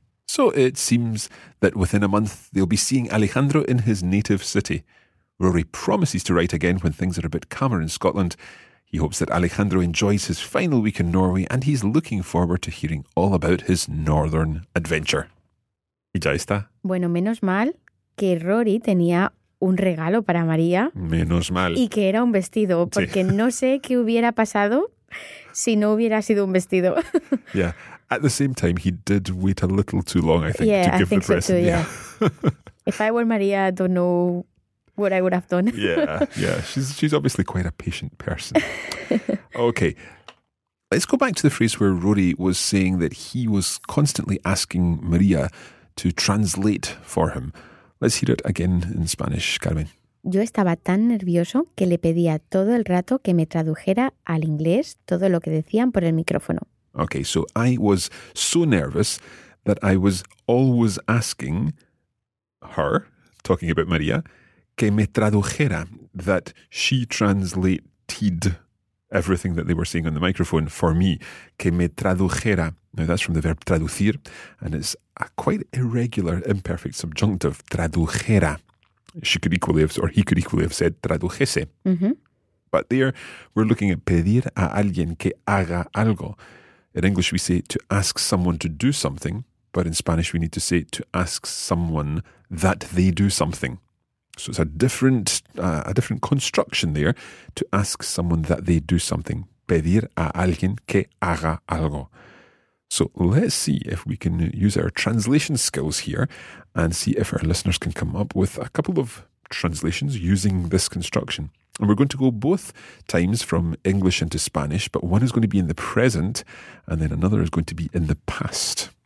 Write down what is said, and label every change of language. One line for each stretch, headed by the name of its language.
English: So it seems that within a month they'll be seeing Alejandro in his native city. Rory promises to write again when things are a bit calmer in Scotland. He hopes that Alejandro enjoys his final week in Norway and he's looking forward to hearing all about his northern adventure.
Spanish: Y ya está. Bueno, menos mal que Rory tenía... un regalo para María. Menos mal. Y que era un vestido, porque sí. No sé qué hubiera pasado si no hubiera sido un vestido.
English: Yeah. At the same time, he did wait a little too long, I think, yeah, to give I think the present. So too, yeah. If I were María, I don't know what I would have done. Yeah. She's obviously quite a patient person. Okay. Let's go back to the phrase where Rory was saying that he was constantly asking María to translate for him. Let's hear it again in Spanish, Carmen.
Spanish: Yo estaba tan nervioso que le pedía todo el rato que me tradujera al inglés todo lo que decían por el micrófono.
English: Okay, so I was so nervous that I was always asking her, talking about María,
Spanish: que me tradujera,
English: that she translated everything that they were saying on the microphone for me, que me tradujera. Now that's from the verb traducir, and it's a quite irregular imperfect subjunctive, tradujera. She could equally have, or he could equally have said tradujese. Mm-hmm. But there, we're looking at
Spanish: pedir a alguien que haga algo.
English: In English, we say to ask someone to do something, but in Spanish, we need to say to ask someone that they do something. So it's a different construction there, to ask someone that they do something.
Spanish: Pedir a alguien que haga algo.
English: So let's see if we can use our translation skills here and see if our listeners can come up with a couple of translations using this construction. And we're going to go both times from English into Spanish, but one is going to be in the present and then another is going to be in the past.